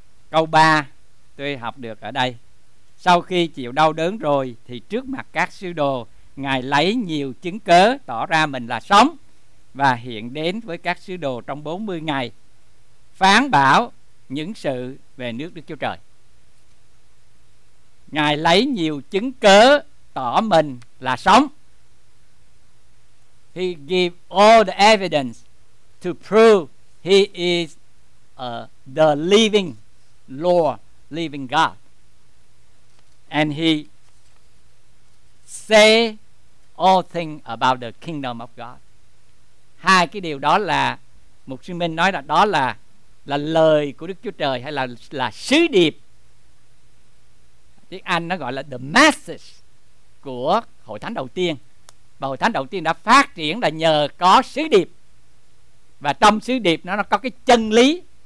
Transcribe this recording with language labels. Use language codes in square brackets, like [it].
[vi] Câu 3 tôi học được ở đây: sau khi chịu đau đớn rồi thì trước mặt các sứ đồ Ngài lấy nhiều chứng cớ tỏ ra mình là sống và hiện đến với các sứ đồ trong 40 ngày phán bảo những sự về nước Đức Chúa Trời. Ngài lấy nhiều chứng cớ tỏ mình là sống. [en] He gave all the evidence to prove he is the living Lord, living God. And he say all things about the kingdom of God. [vi] Hai cái điều đó là mục sư Minh nói là đó là lời của Đức Chúa Trời, hay là sứ điệp. Tiếng Anh nó gọi là [en] the message [vi] của hội thánh đầu tiên. Và hội thánh đầu tiên đã phát triển là nhờ có sứ điệp. Và trong sứ điệp nó có cái chân lý